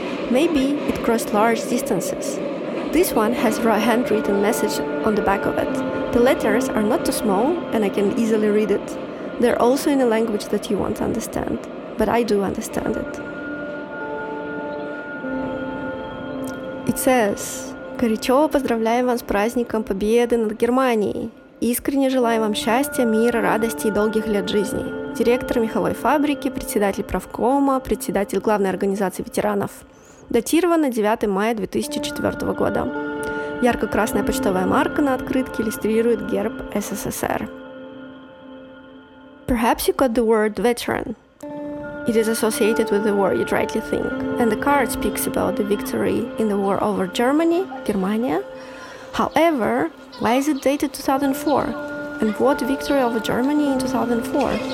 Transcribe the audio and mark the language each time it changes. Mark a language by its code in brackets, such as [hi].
[en] Maybe it crossed large distances. This one has a handwritten message on the back of it. The letters are not too small and I can easily read it. They're also in a language that you won't understand, but I do understand it. It says, [ru] «Горячо поздравляем вас с праздником Победы над Германией! Искренне желаем вам счастья, мира, радости и долгих лет жизни! Директор меховой фабрики, председатель правкома, председатель главной организации ветеранов. Датировано 9 мая 2004 года. Ярко-красная почтовая марка на открытке иллюстрирует герб СССР». [en] Perhaps you got the word veteran. It is associated with the war, you'd rightly think. And the card speaks about the victory in the war over Germany, Germania. However, why is it dated 2004? And what victory over Germany in 2004?